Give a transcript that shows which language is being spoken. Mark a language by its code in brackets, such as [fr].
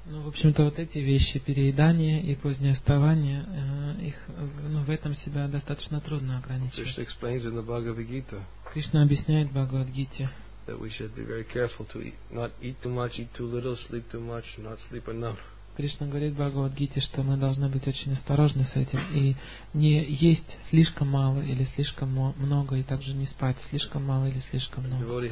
[ru] Ну, в общем-то, вот эти вещи, переедание и позднее вставание, их, ну, в этом себя достаточно трудно ограничить. [en] Krishna explains in the Bhagavad Gita. [ru] Кришна объясняет в Бхагавад Гите. [en] That we should be very careful to not eat too much, eat too little, sleep too much, not sleep enough. [ru] Кришна говорит в Бхагавад-гите, что мы должны быть очень осторожны с этим и не есть слишком мало или слишком много, и также не спать слишком мало или слишком много.